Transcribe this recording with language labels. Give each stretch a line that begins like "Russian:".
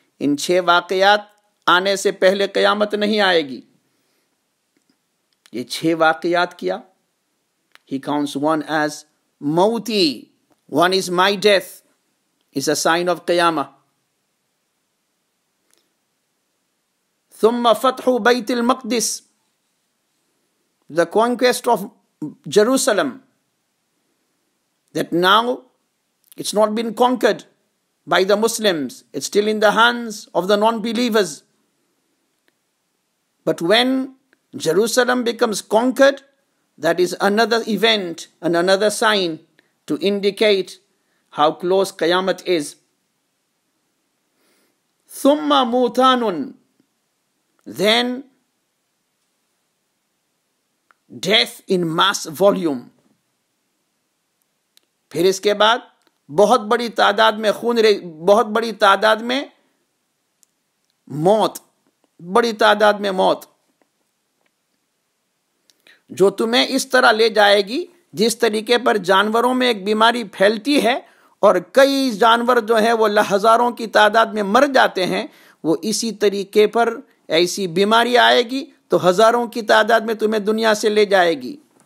Hindi: इन छह वाकयात आने से पहले कयामत नहीं आएगी. ये छह वाकयात किया.
English: He counts one as mauti, one is my death, is a sign of qiyamah.
Arabic: ثم فتح بيت المقدس,
English: the conquest of Jerusalem, that now it's not been conquered by the Muslims, it's still in the hands of the non-believers. But when Jerusalem becomes conquered, that is another event and another sign to indicate how close Qiyamah is.
Arabic: ثُمَّ مُوتَانٌ,
English: then death in mass volume.
Hindi: फिर इसके बाद बहुत बड़ी तादाद में खून, बहुत बड़ी तादाद में मौत, बड़ी तादाद में मौत जो तुम्हें इस तरह ले जाएगी जिस तरीके पर जानवरों में एक बीमारी फैलती है और कई जानवर जो है वो हजारों की तादाद में मर जाते हैं, वो इसी तरीके पर ऐसी बीमारी आएगी तो हजारों की तादाद में तुम्हें दुनिया से ले जाएगी।